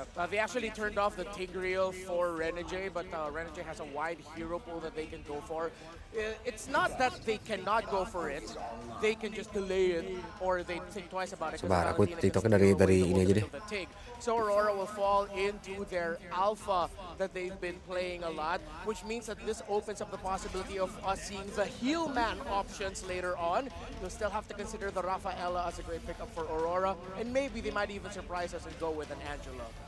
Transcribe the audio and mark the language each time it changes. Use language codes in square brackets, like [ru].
[en] They actually turned off the Tigreal for Renege, but Renege has a wide hero pool that they can go for. It's not that they cannot go for it, they can just delay it or they think twice about it. [id] Coba aku TikTok dari ini aja deh. [en] So Aurora will fall into their alpha that they've been playing a lot, which means that this opens up the possibility of us seeing the heal man options later on. You'll still have to consider the Rafaela as a great pickup for Aurora, and maybe they might even surprise us and go with an Angela.